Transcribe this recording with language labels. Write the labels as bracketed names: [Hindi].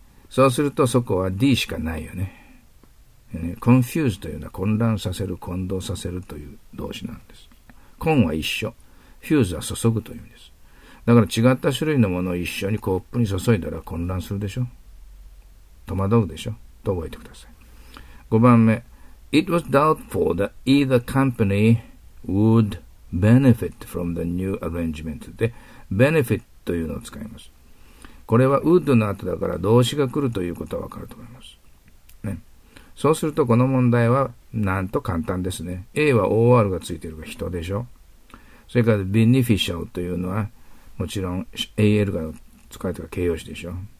[Japanese] そうするとそこは D しかないよね。confuse というのは混乱させる、混同させるという動詞なんです。混は一緒、fuse は注ぐという意味です。だから違った種類のものを一緒にコップに注いだら混乱するでしょ。戸惑うでしょ。と覚えてください。 5番目。 [English] It was doubtful that either company would benefit from the new arrangement. [Japanese] で、benefit というのを使います。これは would の後だから動詞が来るということはわかると思います。そうするとこの問題はなんと簡単ですね。A は OR がついているが人でしょ。それから beneficial というのはもちろん AL が使われているが形容詞でしょ。